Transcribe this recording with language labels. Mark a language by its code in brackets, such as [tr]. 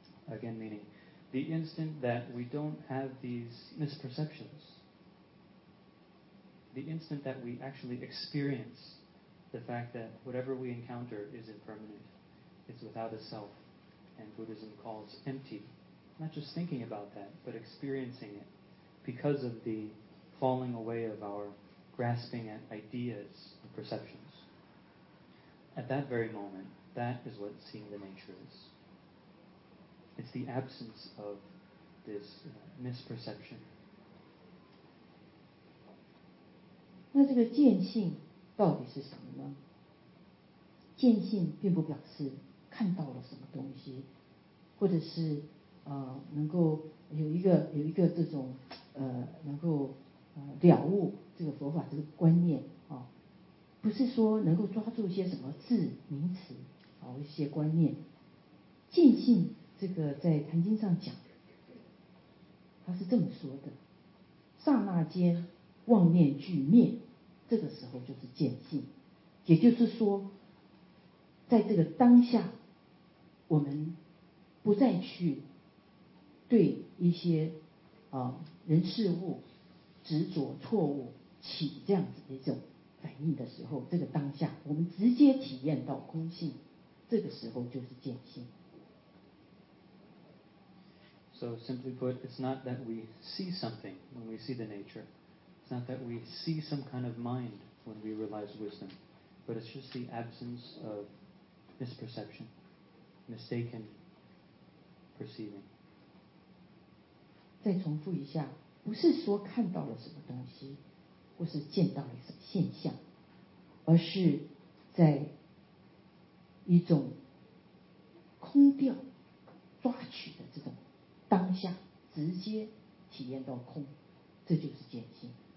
[en] Again, meaning the instant that we don't have these misperceptions, the instant that we actually experience the fact that whatever we encounter is impermanent, it's without a self, and Buddhism calls empty, not just thinking about that, but experiencing it because of the falling away of our grasping at ideas and perceptions. At that very moment, that is what seeing the nature is. It's the absence of this misperception. [zh] 那这个见性到底是什么呢？见性并不表示看到了什么东西，或者是能够有一个这种能够了悟这个佛法这个观念啊，不是说能够抓住一些什么字名词啊一些观念，见性。这个在《坛经》上讲，他是这么说的：刹那间妄念俱灭，这个时候就是见性。也就是说，在这个当下，我们不再去对一些人事物执着、错误起这样子的一种反应的时候，这个当下我们直接体验到空性，这个时候就是见性。 [en] So simply put, it's not that we see something when we see the nature. It's not that we see some kind of mind when we realize wisdom. But it's just the absence of misperception, mistaken perceiving. [zh] 再重复一下，不是说看到了什么东西，或是见到了什么现象，而是在一种空调抓取的这种当下直接体验到空，这就是见性。